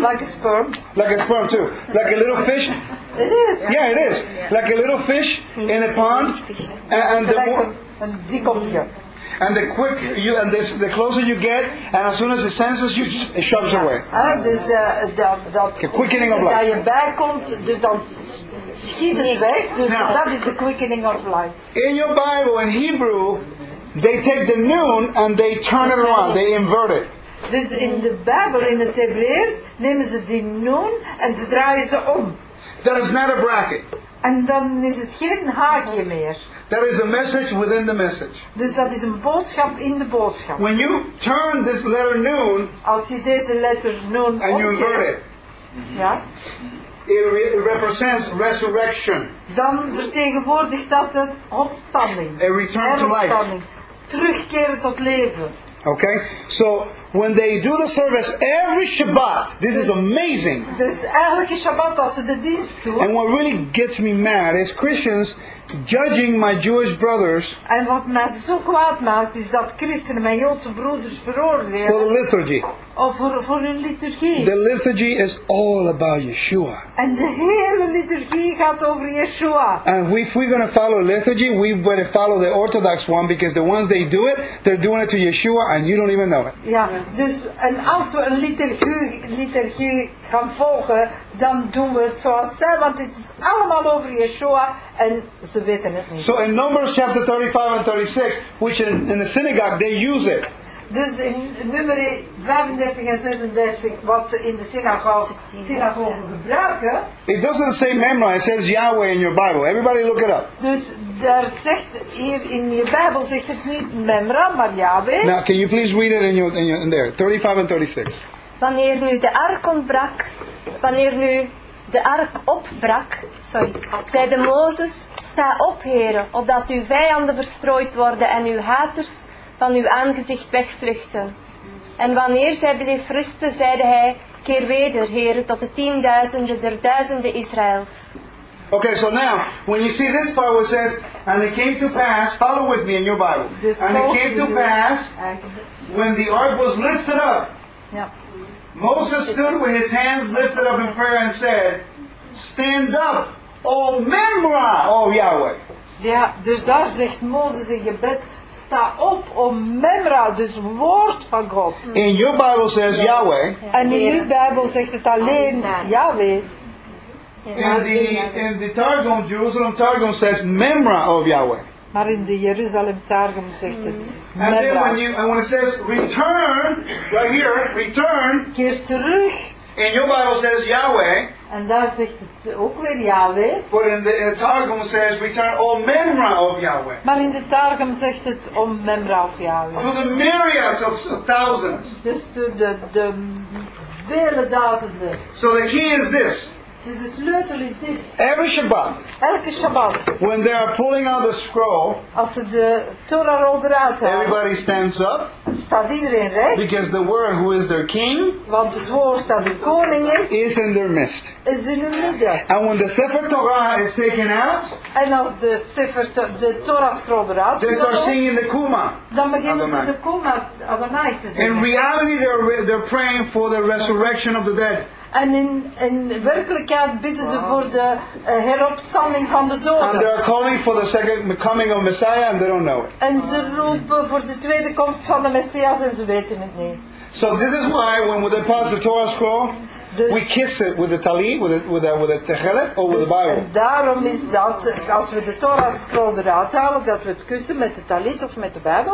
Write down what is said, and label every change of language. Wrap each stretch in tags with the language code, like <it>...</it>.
<en>Like a sperm. Like a sperm too. Like a little fish. It is. Yeah, it is. Like a little fish in a pond, and the like</en> <nl>een dikopje.</nl> <en>And the quick you and this, the closer you get, and as soon as it senses you, it shoves away.</en> <nl>Dus dat</nl> <en>quickening of life.</en> <nl>Dat je bijkomt, dus dan schiet het weg. Dus dat is</nl> <en>the quickening of life. In your Bible, in Hebrew, they take the noon and they turn it around. They invert it.</en> <nl>Dus in de Bijbel, in het Hebreeuws, nemen ze die noon en ze draaien ze om.</nl> <en>That is not a bracket.</en> <nl>En dan is het geen haakje meer.</nl> <en>There is a message within the message.</en> <nl>Dus dat is een boodschap in de boodschap.</nl> <en>When you turn this letter noon,</en> <nl>als je deze letter noon</nl> <en>and you invert it,</en> <nl>ja,</nl> <en>it represents resurrection.</en> <nl>Dan vertegenwoordigt dat de opstanding.</nl> <en>A return to life.</en> <nl>Terugkeren tot leven.</nl> <en>Okay, so when they do the service every Shabbat, this is amazing.</en> <nl>Dus elke Shabbat als ze de dienst doen.</nl> <en>And what really gets me mad is Christians judging my Jewish brothers.</en> <nl>En wat mij zo kwaad maakt is dat christenen mijn Joodse broeders veroordelen.</nl> <en>For the liturgy.</en> <nl>Of voor hun liturgie.</nl> <en>The liturgy is all about Yeshua.</en> <nl>En de hele liturgie gaat over Yeshua.</nl> <en>And if we're going to follow liturgy, we better follow the Orthodox one, because the ones they do it, they're doing it to Yeshua and you don't even know it.</en> <nl>Ja, dus en als we een liturgie gaan volgen, dan doen we het zoals zij, want het is allemaal over Yeshua en ze weten het niet.</nl> <en>So in Numbers chapter 35 and 36, which in the synagogue, they use it.</en> <nl>Dus in nummer 35 en 36, wat ze in de synagoge gebruiken.</nl> <en>It doesn't say memorize, it says Yahweh in your Bible. Everybody look it up.</en> <nl>Dus daar zegt hier in je Bijbel zegt het niet memra, maar Yahweh.</nl> <en>Now can you please read it in there, 35 and 36.</en> <nl>Wanneer nu de ark ontbrak, wanneer nu de ark opbrak, sorry, zei de Mozes, sta op, heren, opdat uw vijanden verstrooid worden en uw haters van uw aangezicht wegvluchten. En wanneer zij bleef rusten, zeide hij, keer weder, heren, tot de tienduizenden der duizenden Israëls.</nl> <en>Okay, so now, when you see this part where it says, and it came to pass, follow with me in your Bible, and it came to pass, when the ark was lifted up, Moses stood with his hands lifted up in prayer and said, stand up, O Memra, O Yahweh.</en> <nl>Ja, dus daar zegt Mozes in gebed, sta op, O Memra, dus woord van God.</nl> <en>In your Bible says Yahweh.</en> <nl>En in uw Bijbel zegt het alleen Yahweh.</nl> <en>In the Targum, Jerusalem Targum says Memra of Yahweh.</en> <nl>Maar in de Jeruzalem Targum zegt het.</nl> <en>And then when it says return, right here, return.</en> <nl>Keer terug.</nl> <en>In your Bible says Yahweh.</en> <nl>En daar zegt het ook weer Yahweh.</nl> <en>But in the Targum says return, O Memra of Yahweh.</en> <nl>Maar in de Targum zegt het</nl> <en>O Memra of Yahweh. So the myriads of thousands.</en> <nl>Dus de vele duizenden.</nl> <en>So the key is this.</en> <nl>Dus de sleutel is dit.</nl> <en>Every Shabbat.</en> <nl>Elke Shabbat.</nl> <en>When they are pulling out the scroll.</en> <nl>Als ze de Torah rol eruit halen.</nl> <en>Everybody stands up.</en> <nl>Staat iedereen recht.</nl> <en>Because the word who is their king.</en> <nl>Want het woord dat de koning is.</nl> <en>Is in their midst.</en> <nl>Is in hun midden.</nl> <en>And when the Sefer Torah is taken out.</en> <nl>En als de Sefer de Torah scroll eruit</nl> <en>is. They start singing the Kuma.</en> <nl>Dan beginnen ze de Kuma Adonai te zingen.</nl> <en>In reality they're praying for the resurrection of the dead.</en> <nl>En in werkelijkheid bidden ze voor de heropstanding van de doden.</nl> <en>And they're calling for the second coming of Messiah and they don't know it.</en> <nl>En ze roepen voor de tweede komst van de Messias en ze weten het niet.</nl> <en>So this is why when they pass the Torah scroll, we kiss it with the tali, with the tehillet, or with the Bible.</en> <nl>En daarom is dat, als we de Torah scroll eruit halen, dat we het kussen met de talit of met de Bijbel.</nl>